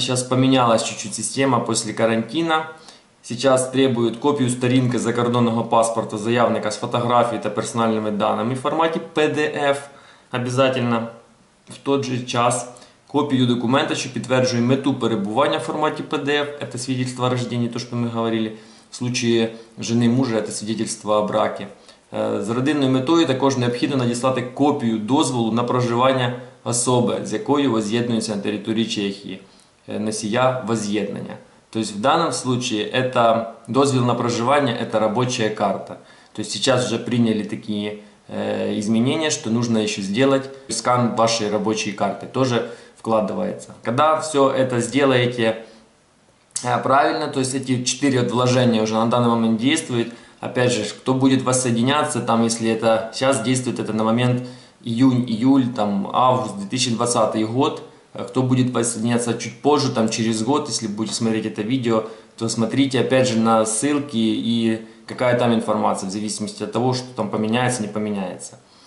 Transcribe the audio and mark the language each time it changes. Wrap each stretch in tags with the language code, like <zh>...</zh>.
<ru>Сейчас поменялась чуть-чуть система после карантина. Сейчас требуют копию сторинки закордонного паспорта заявника с фотографией и персональными данными в формате PDF. Обязательно в тот же час копию документа, что подтверждает мету пребывания в формате PDF. Это свидетельство о рождении, то, что мы говорили. В случае жены мужа это свидетельство о браке.</ru> <uk>З родинною метою також необхідно надіслати копію дозволу на проживання особи, з якою воз'єднується на території Чехії, носія воз'єднання. Тобто в даному випадку це дозвіл на проживання – це робоча карта. Тобто зараз вже прийняли такі змінення, що потрібно ще зробити скан вашої робочої карти. Теж вкладається. Коли все це зробите правильно, тобто ці 4 вложення вже на даний момент діють,</uk> <ru>опять же, кто будет воссоединяться, там, если это сейчас действует, это на момент июнь-июль, там, август 2020 год, кто будет воссоединяться чуть позже, там, через год, если будете смотреть это видео, то смотрите, опять же, на ссылки и какая там информация, в зависимости от того, что там поменяется, не поменяется.</ru>